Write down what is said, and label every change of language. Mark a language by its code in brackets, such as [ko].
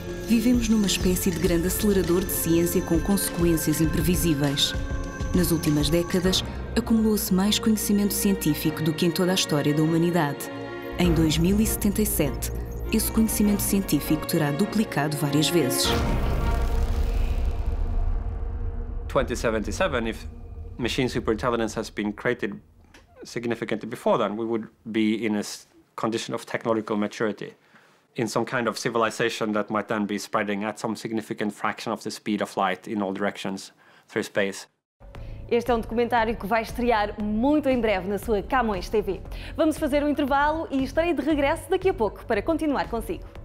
[pt] Vivemos numa espécie de grande acelerador de ciência com consequências imprevisíveis. Nas últimas décadas, acumulou-se mais conhecimento científico do que em toda a história da humanidade. Em 2077, esse conhecimento científico terá duplicado várias vezes. [en] 2077, if machine superintelligence has been created significantly before then, we would be in a condition of technological maturity. In some kind of civilization that might then be spreading at some significant fraction of the speed of light in all directions through space. [pt] Este é um documentário que vai estrear muito em breve na sua Camões TV. Vamos fazer um intervalo e estarei de regresso daqui a pouco para continuar consigo.